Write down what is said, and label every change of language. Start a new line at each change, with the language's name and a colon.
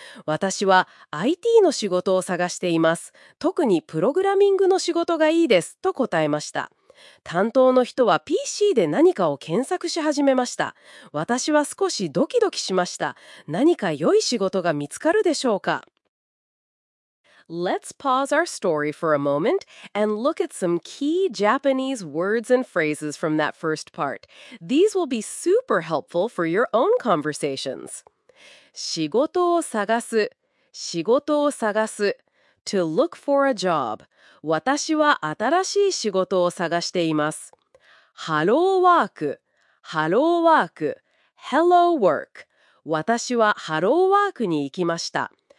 Japanese: 私は IT の仕事を探しています。特にプログラミングの仕事がいいです、と答えました。担当の人は PC で何かを検索し始めました。私は少しドキドキしました。何か良い仕事が見つかるでしょうか？
English: Let's pause our story for a moment and look at some key Japanese words and phrases from that first part. These will be super helpful for your own conversations.
Japanese: 仕事を探す、仕事を探す。
English: To look for a job.
Japanese: 私は新しい仕事を探しています。ハローワーク、ハローワーク。
English: Hello work.
Japanese: 私はハローワークに行きました。